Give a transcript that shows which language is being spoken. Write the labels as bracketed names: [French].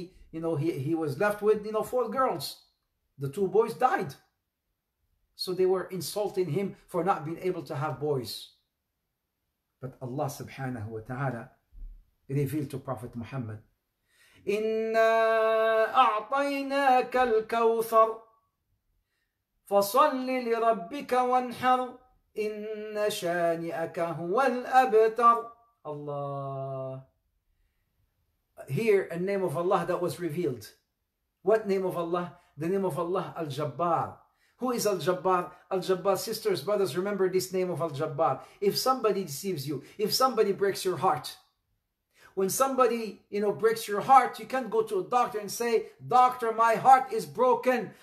[English] He was left with, you know, four girls. The two boys died. So they were insulting him for not being able to have boys. But Allah subhanahu wa ta'ala revealed to Prophet Muhammad, [Arabic] إِنَّا أَعْطَيْنَاكَ الْكَوْثَرْ فَصَلِّ لِرَبِّكَ وَانْحَرْ إِنَّ شَانِئَكَ هُوَ الْأَبْتَرْ. [English] Allah. Here, a name of Allah that was revealed. What name of Allah? The name of Allah, Al-Jabbar. Who is Al-Jabbar? Al-Jabbar, sisters, brothers, remember this name of Al-Jabbar. If somebody deceives you, if somebody breaks your heart, when somebody, you know, breaks your heart, you can't go to a doctor and say, "Doctor, my heart is broken.